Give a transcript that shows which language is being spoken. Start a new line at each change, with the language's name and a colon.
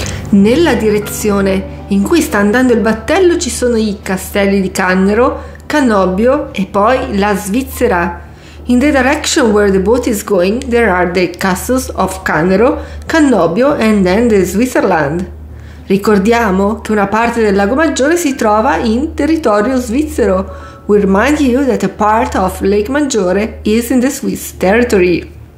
Italian: Nella direzione in cui sta andando il battello ci sono i castelli di Cannero, Cannobio e poi la Svizzera.
English: In the direction where the boat is going, there are the castles of Cannero, Cannobio and then the Switzerland.
Italian: Ricordiamo che una parte del Lago Maggiore si trova in territorio svizzero.
English: We remind you that a part of Lake Maggiore is in the Swiss territory.